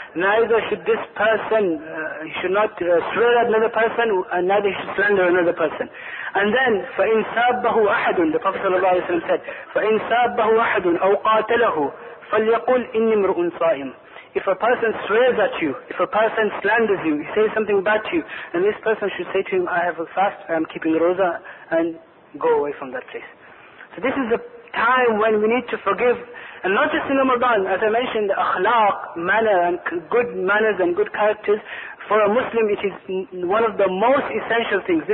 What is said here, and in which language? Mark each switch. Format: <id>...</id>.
<en>Neither should this person, he should not swear at another person, and neither he should slander another person. And then,</en> <ar>فَإِنْ سَابَّهُ أَحَدٌ,</ar> <en>the Prophet sallallahu alayhi wa sallam said,</en> <ar>فَإِنْ سَابَّهُ أَحَدٌ أَوْ قَاتَلَهُ فَلْيَقُلْ إِنِّي مْرُؤٌ صَائِمٌ.</ar> <en>If a person swears at you, if a person slanders you, he says something bad to you, then this person should say to him, I have a fast, I am keeping roza, and go away from that place. So this is the time when we need to forgive, and not just in Ramadan. As I mentioned, akhlaq, manner, and good manners and good characters, for a Muslim it is one of the most essential things.</en>